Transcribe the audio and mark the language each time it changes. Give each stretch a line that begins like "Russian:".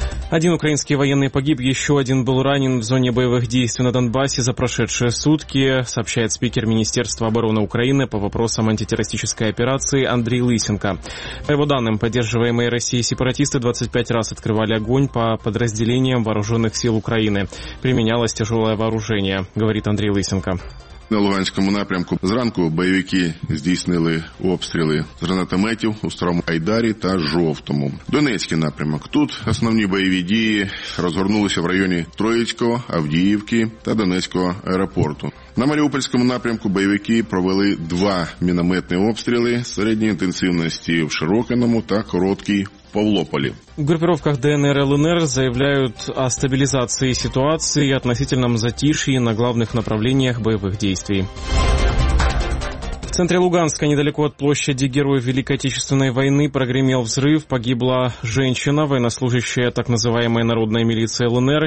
Russian: Один украинский военный погиб, еще один был ранен в зоне боевых действий на Донбассе за прошедшие сутки, сообщает спикер Министерства обороны Украины по вопросам антитеррористической операции Андрей Лысенко. По его данным, поддерживаемые Россией сепаратисты 25 раз открывали огонь по подразделениям вооруженных сил Украины. Применялось тяжелое вооружение, говорит Андрей Лысенко.
Ukrainian: На Луганському напрямку зранку бойовики здійснили обстріли з гранатометів у Старому Айдарі та Жовтому. Донецький напрямок. Тут основні бойові дії розгорнулися в районі Троїцького, Авдіївки та Донецького аеропорту. На Маріупольському напрямку бойовики провели 2 мінометні обстріли середньої інтенсивності в Широкиному та короткій Павлополі.
Russian: В группировках ДНР и ЛНР заявляют о стабилизации ситуации и относительном затишье на главных направлениях боевых действий. В центре Луганска, недалеко от площади Героев Великой Отечественной войны, прогремел взрыв. Погибла женщина, военнослужащая так называемой народной милиции ЛНР.